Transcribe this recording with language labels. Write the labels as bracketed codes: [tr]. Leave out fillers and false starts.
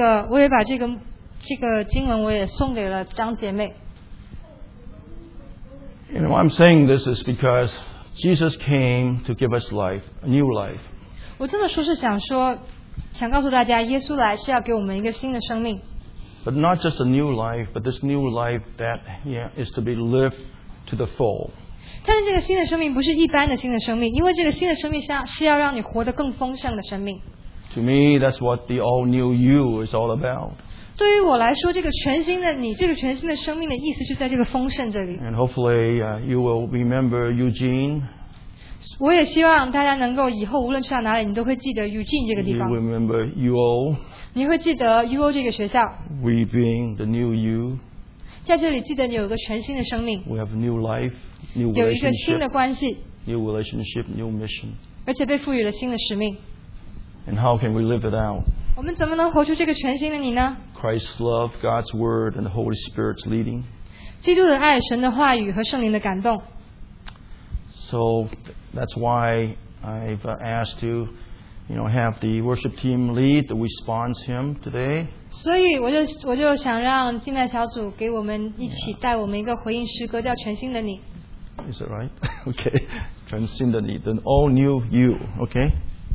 [zh] 我也把这个经文我也送给了张姐妹。 [en] You know, I'm saying this is because Jesus came to give us life, a new life. [zh] 我这么说是想说，想告诉大家，耶稣来是要给我们一个新的生命。 [en] But not just a new life, but this new life that is to be lived to the full. [zh] 但是这个新的生命不是一般的新的生命，因为这个新的生命是要让你活得更丰盛的生命。 [en] To me, that's what the all new you is all about. [zh] 对于我来说，这个全新的你，这个全新的生命的意思就在这个丰盛这里。 [en] And hopefully, you will remember Eugene. [zh] 我也希望大家能够以后无论去到哪里，你都会记得 Eugene 这个地方。 [en] You will remember UO. [zh] 你会记得 UO 这个学校。 [en] We being the new you. [zh] 在这里记得你有一个全新的生命。 [en] We have a new life, new [zh] relationship. 有一个新的关系。 [en] New relationship, new mission. [zh] 而且被赋予了新的使命。 [en] And how can we live it out? [zh] 我们怎么能活出这个全新的你呢？ [en] Christ's love, God's word, and the Holy Spirit's leading. [zh] 基督的爱，神的话语和圣灵的感动。 [en] So that's why I've asked to, you know, have the worship team lead the response hymn today. [zh] 所以我就想让敬拜小组给我们一起带我们一个回应诗歌，叫全新的你。 [en] Is it right? Okay, [zh] 全新的你 [en] the all new you. Okay.